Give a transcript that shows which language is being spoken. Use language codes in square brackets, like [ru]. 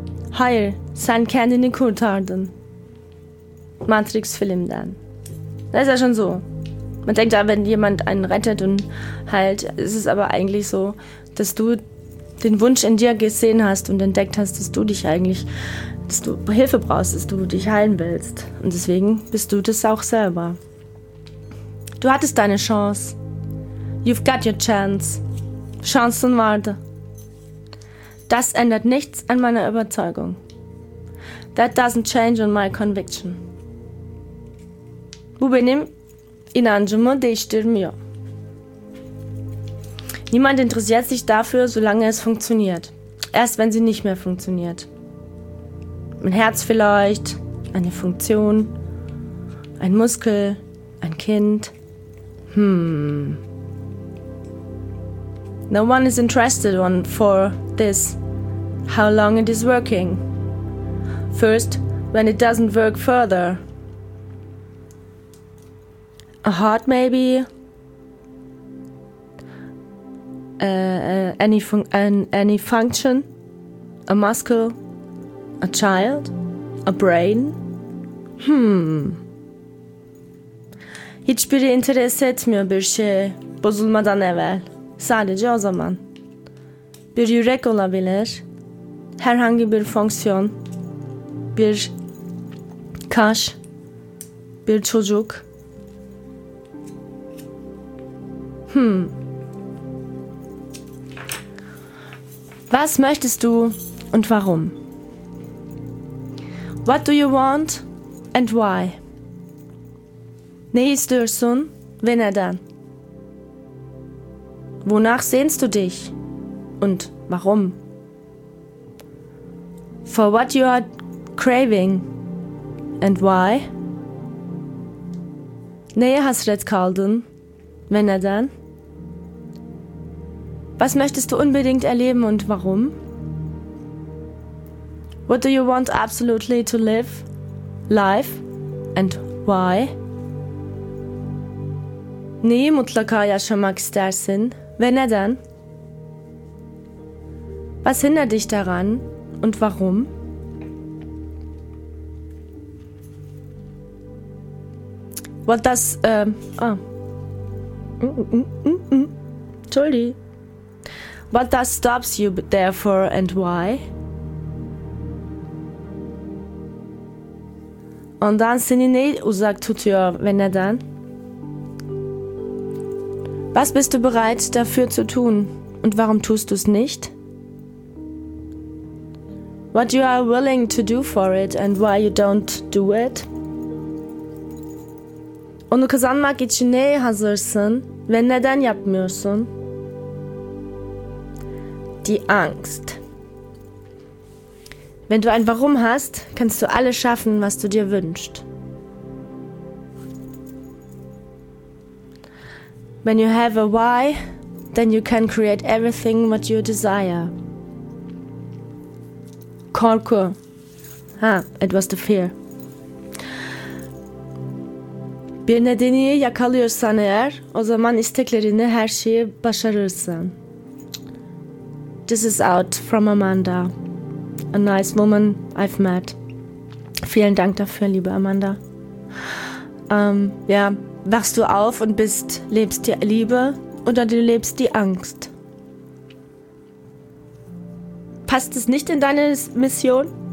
[tr] Hayır, sen kendini kurtardın. [de] Matrix-Film dann. Das ist ja schon so. Man denkt ja, wenn jemand einen rettet und heilt, ist es aber eigentlich so, dass du den Wunsch in dir gesehen hast und entdeckt hast, dass du dich eigentlich, dass du Hilfe brauchst, dass du dich heilen willst. Und deswegen bist du das auch selber. Du hattest deine Chance. [en] You've got your chance. [de] Chance und warte. Das ändert nichts an meiner Überzeugung. [en] That doesn't change on my conviction. [tr] Bu benim inancımı değiştirmiyor. [de] Niemand interessiert sich dafür, solange es funktioniert. Erst wenn sie nicht mehr funktioniert. Mein Herz vielleicht, eine Funktion, ein Muskel, ein Kind. [en] No one is interested on for this. How long it is working. First, when it doesn't work further. A heart maybe, any function, a muscle, a child, a brain, [tr] Hiçbiri interes etmiyor bir şey bozulmadan evvel, sadece o zaman. Bir yürek olabilir, herhangi bir fonksiyon, bir kaş, bir çocuk. [de] Was möchtest du und warum? [en] What do you want and why? [tr] Ne istiyorsun ve neden? [de] Wonach sehnst du dich und warum? [en] For what you are craving and why? [tr] Neye hasret kaldın ve neden? [de] Was möchtest du unbedingt erleben und warum? [en] What do you want absolutely to live? Life and why? [tr] Neyi mutlaka yaşamak istersin ve neden? [de] Was hindert dich daran und warum? [en] What does... [de] Entschuldigung. [en] What does stops you therefore and why? [de] Und dann [tr] seni ne uzak tutuyor ve neden? [de] Was bist du bereit dafür zu tun und warum tust du es nicht? [en] what you are willing to do for it and why you don't do it. [tr] Onu kazanmak için neye hazırsın ve neden yapmıyorsun? [de] Die Angst. Wenn du ein Warum hast, kannst du alles schaffen, was du dir wünschst. [en] When you have a why, then you can create everything what you desire. [tr] Korku. [en] It was the fear. [tr] Bir nedeni yakalıyorsan eğer, o zaman isteklerini her şeyi başarırsın. [en] This is out from Amanda, a nice woman I've met. [de] Vielen Dank dafür, liebe Amanda. Wachst du auf und lebst die Liebe oder du lebst die Angst? Passt es nicht in deine Mission?